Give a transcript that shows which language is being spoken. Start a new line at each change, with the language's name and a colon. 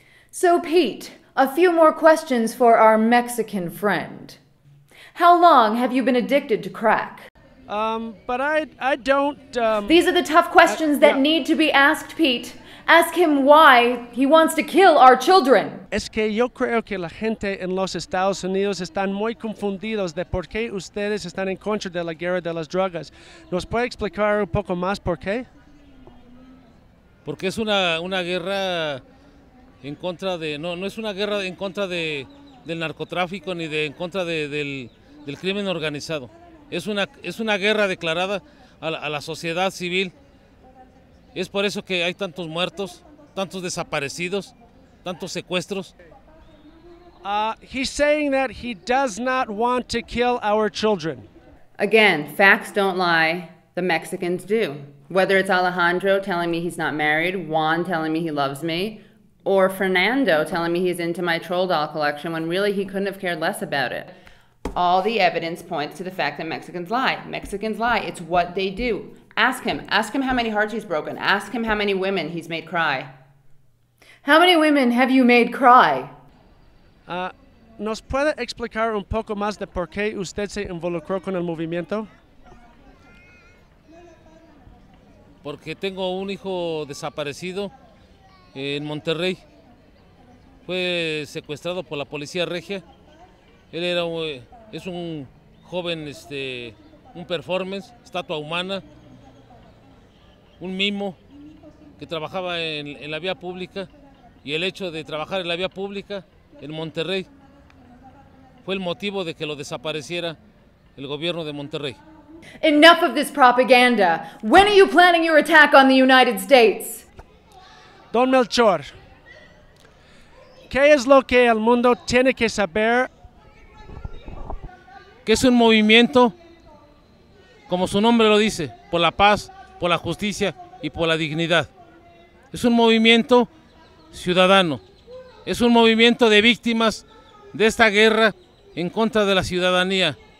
English: So, Pete, a few more questions for our Mexican friend. How long have you been addicted to crack? These are the tough questions that need to be asked, Pete. Ask him why he wants to kill our children.
Spanish: Es que yo creo que la gente en los Estados Unidos están muy confundidos de por qué ustedes están en contra de la guerra de las drogas. ¿Nos puede explicar un poco más por qué? Porque es una guerra en contra de... No es una guerra en contra del narcotráfico ni en contra del crimen organizado. Es una guerra declarada a la sociedad civil. Es por eso que hay tantos muertos, tantos desaparecidos, tantos secuestros.
English: He's saying that he does not want to kill our children. Again, facts don't lie, the Mexicans do. Whether it's Alejandro telling me he's not married, Juan telling me he loves me, or Fernando telling me he's into my troll doll collection when really he couldn't have cared less about it. All the evidence points to the fact that Mexicans lie. Mexicans lie, it's what they do. Ask him how many hearts he's broken. Ask him how many women he's made cry. How many women have you made cry?
Spanish: ¿Nos puede explicar un poco más de por qué usted se involucró con el movimiento? Porque tengo un hijo desaparecido en Monterrey. Fue secuestrado por la policía regia. Él es un joven, un performance, estatua humana. Un mimo que trabajaba en la vía pública y el hecho de trabajar en la vía pública en Monterrey fue el motivo de que lo desapareciera el gobierno de Monterrey.
English: Enough of this propaganda. When are you planning your attack on the United States?
Spanish: Don Melchor, ¿qué es lo que el mundo tiene que saber? Que es un movimiento, como su nombre lo dice, por la paz, por la justicia y por la dignidad. Es un movimiento ciudadano. Es un movimiento de víctimas de esta guerra en contra de la ciudadanía.